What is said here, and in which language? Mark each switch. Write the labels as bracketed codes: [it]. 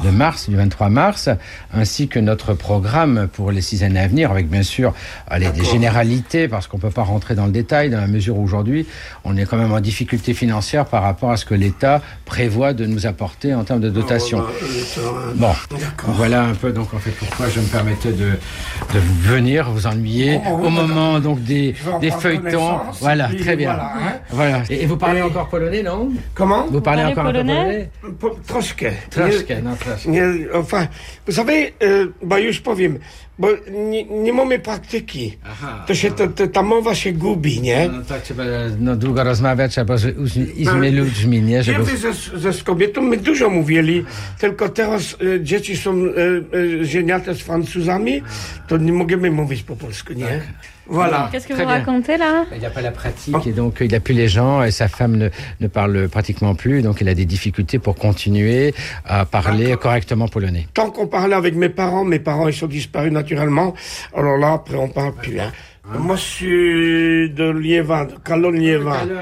[fr] de mars, du 23 mars, ainsi que notre programme pour les 6 années à venir, avec bien sûr allez, des généralités, parce qu'on ne peut pas rentrer dans le détail, dans la mesure où aujourd'hui, on est quand même en difficulté financière par rapport à ce que l'État prévoit de nous apporter en termes de dotation. Bon, d'accord. Voilà un peu donc en fait pourquoi je me permettais de venir vous ennuyer au moment donc des feuilletons. Voilà, très bien. Voilà. Hein. Voilà. Et vous parlez encore polonais, non? Comment? Vous parlez encore polonais? [pl] Troszkę. Troszkę, non, troszkę. [fr] Enfin, vous savez, bah, [pl] już powiem. Bo nie mamy praktyki. Aha, to się ta mowa się gubi, nie? No tak, trzeba no, długo rozmawiać, trzeba z ludźmi, nie? Żeby... Wiemy, ze z kobietą my dużo mówili, tylko teraz dzieci są żeniate z Francuzami, to nie możemy mówić po polsku, nie? Tak. Voilà. [fr] Qu'est-ce que vous racontez là? Il n'y a pas la pratique et donc il n'a plus les gens et sa femme ne parle pratiquement plus. Donc il a des difficultés pour continuer à parler d'accord correctement polonais. Tant qu'on parlait avec mes parents ils sont disparus naturellement. Alors là, après on ne parle plus. Hein. Hein. Moi je suis de Liévin, de Calonne-Liévin.